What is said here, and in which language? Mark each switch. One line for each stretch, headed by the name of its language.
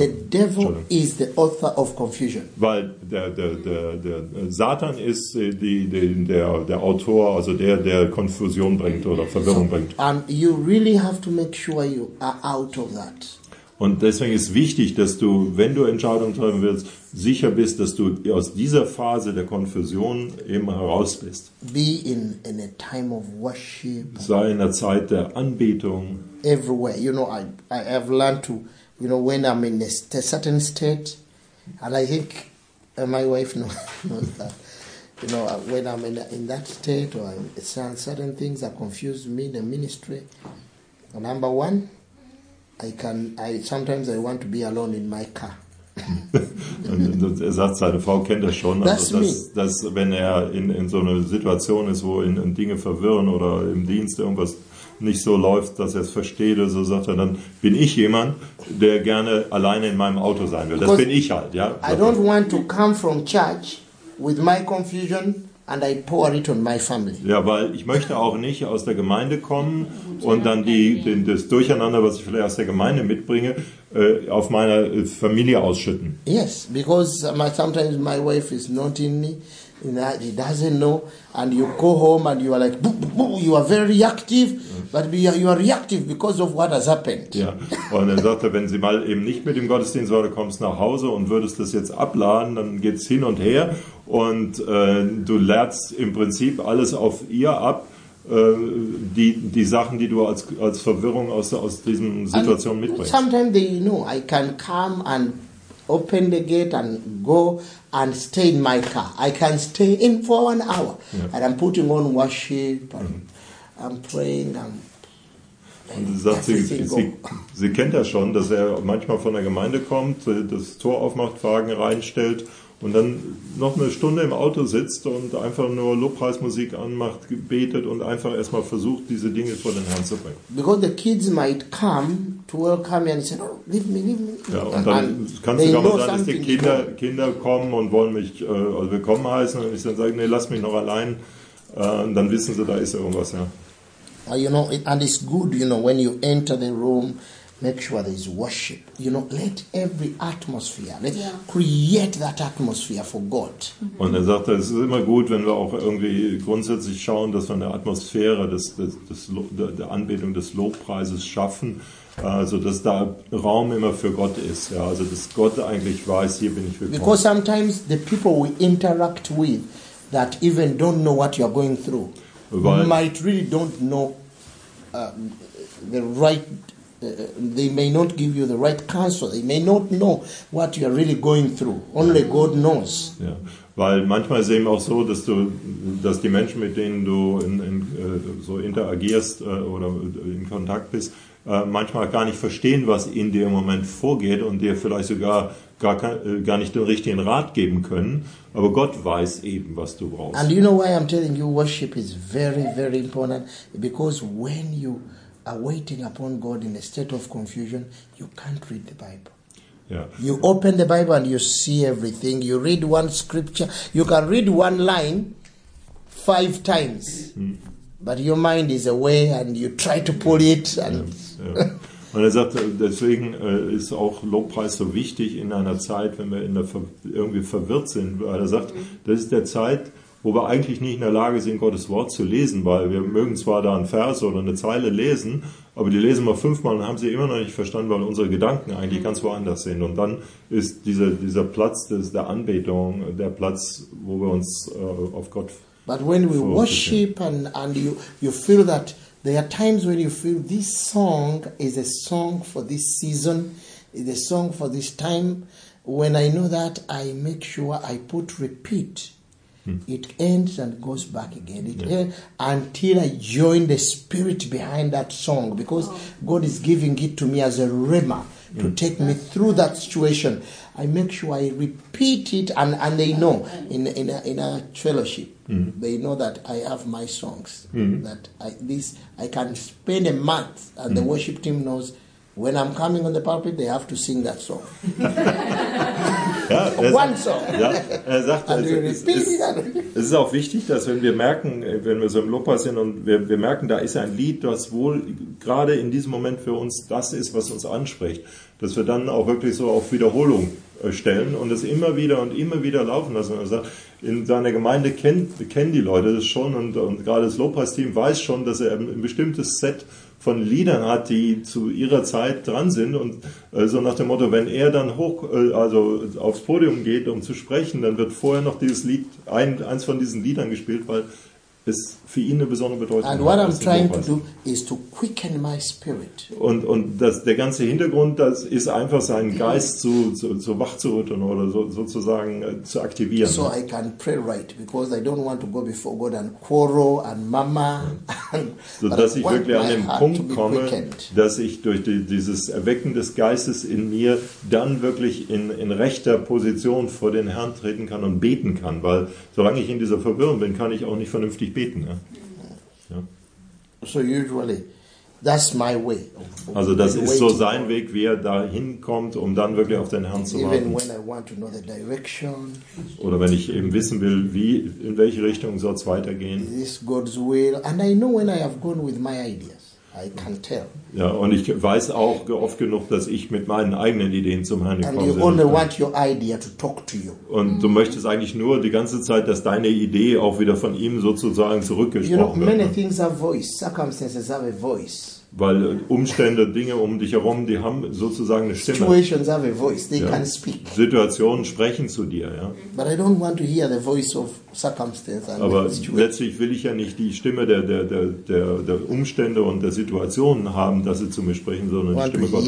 English: The devil is the author of confusion.
German: Weil der Satan ist der Autor, also der Konfusion bringt oder Verwirrung bringt.
English: You really have to make sure you are out of that.
German: Und deswegen ist wichtig, dass du, wenn du Entscheidungen treffen willst, sicher bist, dass du aus dieser Phase der Konfusion eben heraus bist.
English: Be in a time of worship.
German: Sei in der Zeit der Anbetung.
English: Everywhere, you know, I have learned to, you know, when I'm in a certain state, and I think my wife knows that, you know, when I'm in that state or certain things that confuse me in the ministry. Number one. Sometimes I want to be alone in my car.
German: Er sagt, seine Frau kennt das schon. Also dass wenn er in so einer Situation ist, wo ihn Dinge verwirren oder im Dienst irgendwas nicht so läuft, dass er es versteht oder so, sagt er, dann bin ich jemand, der gerne alleine in meinem Auto sein will. Das bin ich halt, ja.
English: I don't want to come from church with my confusion and I pour it on my family.
German: Ja, weil ich möchte auch nicht aus der Gemeinde kommen und dann das Durcheinander, was ich vielleicht aus der Gemeinde mitbringe, auf meine Familie ausschütten.
English: Yes, because sometimes my wife is not in me. He doesn't know, and you go home and you are like, boo, boo, boo, you are very reactive, but you are reactive because of what has happened.
German: Ja, und er sagte, wenn sie mal eben nicht mit dem Gottesdienst war, du kommst nach Hause und würdest das jetzt abladen, dann geht's hin und her und du lernst im Prinzip alles auf ihr ab, die Sachen, die du als Verwirrung aus diesem Situation
English: and
German: mitbringst.
English: Sometimes they know, I can come and open the gate and go and stay in my car. I can stay in for 1 hour. Yeah. And I'm putting on worship and I'm praying.
German: Und sagt, sie kennt ja schon, dass er manchmal von der Gemeinde kommt, das Tor aufmacht, Wagen reinstellt und dann noch eine Stunde im Auto sitzt und einfach nur Lobpreismusik anmacht, betet und einfach erstmal versucht, diese Dinge vor den Herrn zu bringen.
English: Because the kids might come to welcome me and say, oh, leave me.
German: Ja, und dann kann es sogar mal sein, dass die Kinder kommen und wollen mich willkommen heißen und ich dann sage, nee, lass mich noch allein. Und dann wissen sie, da ist irgendwas, ja.
English: You know, and it's good, you know, when you enter the room, make sure there is worship. You know, let every atmosphere, let create that atmosphere for God.
German: Und er sagte, es ist immer gut, wenn wir auch irgendwie grundsätzlich schauen, dass wir eine Atmosphäre der Anbetung des Lobpreises schaffen, also dass da Raum immer für Gott ist. Ja, also dass Gott eigentlich weiß, hier bin ich willkommen.
English: Because sometimes the people we interact with that even don't know what you are going through, might really don't know the right. They may not give you the right counsel. They may not know what you are really going through. Only God knows.
German: Ja, weil manchmal ist es eben auch so, dass die Menschen, mit denen du so interagierst oder in Kontakt bist, manchmal gar nicht verstehen, was in dir im Moment vorgeht und dir vielleicht sogar gar nicht den richtigen Rat geben können. Aber Gott weiß eben, was du brauchst.
English: And you know why I'm telling you, worship is very, very important, because when you are waiting upon God in a state of confusion, you can't read the Bible. Yeah. You open the Bible and you see everything. You read one scripture. You can read one line 5 times. But your mind is away and you try to pull it.
German: Und er sagt, deswegen ist auch Lobpreis so wichtig in einer Zeit, wenn wir irgendwie verwirrt sind. Weil er sagt, das ist der Zeit, wo wir eigentlich nicht in der Lage sind, Gottes Wort zu lesen, weil wir mögen zwar da einen Vers oder eine Zeile lesen, aber die lesen wir 5 Mal und haben sie immer noch nicht verstanden, weil unsere Gedanken eigentlich ganz woanders sind. Und dann ist dieser Platz der Anbetung der Platz, wo wir uns auf Gott verlassen.
English: But when we worship and you feel that there are times when you feel this song is a song for this season, is a song for this time, when I know that, I make sure I put repeat. It ends and goes back again. It ends until I join the spirit behind that song, because God is giving it to me as a rhema to take me through that situation. I make sure I repeat it, and they know in a fellowship. They know that I have my songs. I can spend a month, and the worship team knows when I'm coming on the pulpit, they have to sing that song.
German: Ja,
English: one song.
German: Ja, er sagt, es ist auch wichtig, dass wenn wir merken, wenn wir so im Lobpreis sind und wir merken, da ist ein Lied, das wohl gerade in diesem Moment für uns das ist, was uns anspricht, dass wir dann auch wirklich so auf Wiederholung stellen und es immer wieder und immer wieder laufen lassen. Also in seiner Gemeinde kennen die Leute das schon und gerade das Lobpreisteam weiß schon, dass er ein bestimmtes Set von Liedern hat, die zu ihrer Zeit dran sind und so nach dem Motto, wenn er dann hoch, also aufs Podium geht, um zu sprechen, dann wird vorher noch dieses Lied, eins von diesen Liedern gespielt, weil es für ihn eine besondere Bedeutung
English: and
German: hat.
English: And what I'm trying to do is to quicken my spirit.
German: Und das, der ganze Hintergrund, das ist einfach seinen Geist zu wach zu rütteln oder sozusagen zu aktivieren.
English: So I can pray right, because I don't want to go before God and quarrel and mama.
German: Sodass ich wirklich an den Punkt komme, dass ich durch dieses Erwecken des Geistes in mir dann wirklich in rechter Position vor den Herrn treten kann und beten kann, weil solange ich in dieser Verwirrung bin, kann ich auch nicht vernünftig beten. Ja.
English: So usually That's my way.
German: Also das ist so sein Weg, wie er da hinkommt, um dann wirklich auf den Herrn zu warten.
English: Even when I want to know the direction.
German: Oder wenn ich eben wissen will, wie, in welche Richtung soll es weitergehen.
English: This is God's will. And I know when I have gone with my ideas. I can tell.
German: Ja, und ich weiß auch oft genug, dass ich mit meinen eigenen Ideen zum Herrn gekommen bin.
English: And you only want your idea to talk to you.
German: Und du möchtest eigentlich nur die ganze Zeit, dass deine Idee auch wieder von ihm sozusagen zurückgesprochen wird.
English: You know, many things have voice. Circumstances have a voice.
German: Weil Umstände, Dinge um dich herum, die haben sozusagen eine Stimme.
English: Situations have a voice. They can speak.
German: Situationen sprechen zu dir, ja.
English: But I don't want to hear the voice of circumstances.
German: Aber letztlich will ich ja nicht die Stimme der Umstände und der Situationen haben, dass sie zu mir sprechen, sondern die Stimme Gottes.